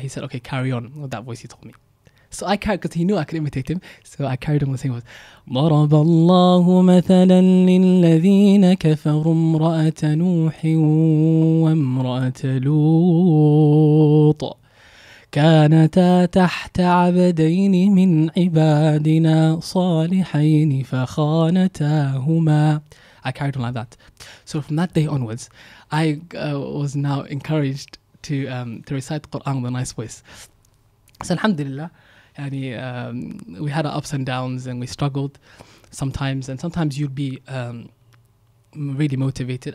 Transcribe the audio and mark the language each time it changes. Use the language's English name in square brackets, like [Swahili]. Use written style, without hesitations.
[English] He said, okay, carry on with that voice he told me. So I carried, because he knew I could imitate him. So I carried on the same voice. [Arabic] ضَرَبَ اللَّهُ مَثَلًا لِلَّذِينَ كَفَرُوا امْرَأَةَ نُوحٍ وَامْرَأَةَ لُوطٍ كانتا تحت عبدين من عبادنا صالحين فخانتاهما. [English] I carried on like that. So from that day onwards, I was now encouraged to recite Quran with a nice voice. So alhamdulillah, yani, we had our ups and downs and we struggled sometimes. And sometimes you'd be really motivated.